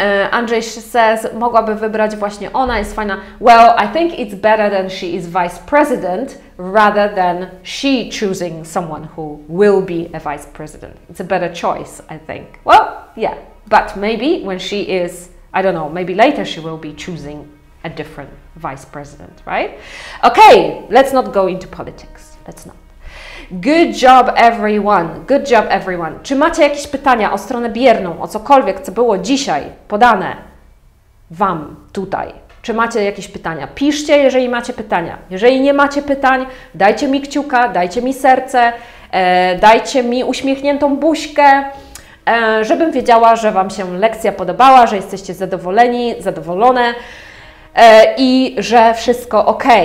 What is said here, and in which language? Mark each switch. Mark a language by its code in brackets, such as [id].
[pl] Andrzej says, mogłaby wybrać właśnie ona, jest fajna. [en] Well, I think it's better than she is vice president, rather than she choosing someone who will be a vice president. It's a better choice, I think. Well, yeah, but maybe when she is, I don't know, maybe later she will be choosing a different vice president, right? Okay, let's not go into politics. Let's not. Good job, everyone. Good job, everyone. [pl] Czy macie jakieś pytania o stronę bierną, o cokolwiek, co było dzisiaj podane Wam tutaj? Czy macie jakieś pytania? Piszcie, jeżeli macie pytania. Jeżeli nie macie pytań, dajcie mi kciuka, dajcie mi serce, dajcie mi uśmiechniętą buźkę, żebym wiedziała, że Wam się lekcja podobała, że jesteście zadowoleni, zadowolone i że wszystko ok.